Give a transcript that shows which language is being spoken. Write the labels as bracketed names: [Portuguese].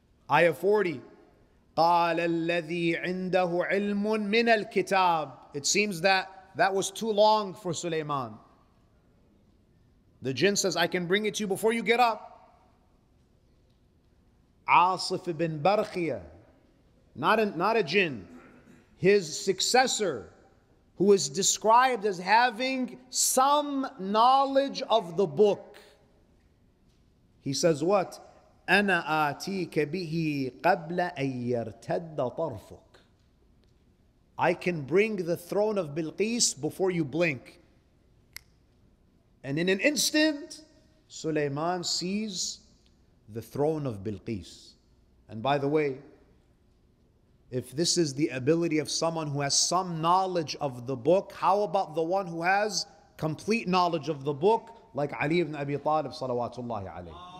[Arabic] Ayah 40, قَالَ الَّذِي عِنْدَهُ عِلْمٌ مِّنَ الْكِتَابِ. [English] It seems that that was too long for Suleiman. The jinn says, I can bring it to you before you get up. عاصف بن برخية, not a jinn, his successor, who is described as having some knowledge of the book. He says what? [Arabic] أنا آتيك به قبل أن يرتد طرفك. [English] I can bring the throne of Bilqis before you blink. And in an instant, Suleiman sees the throne of Bilqis. And by the way, if this is the ability of someone who has some knowledge of the book, how about the one who has complete knowledge of the book, like Ali ibn Abi Talib, [Arabic] salawatullahi alayhi.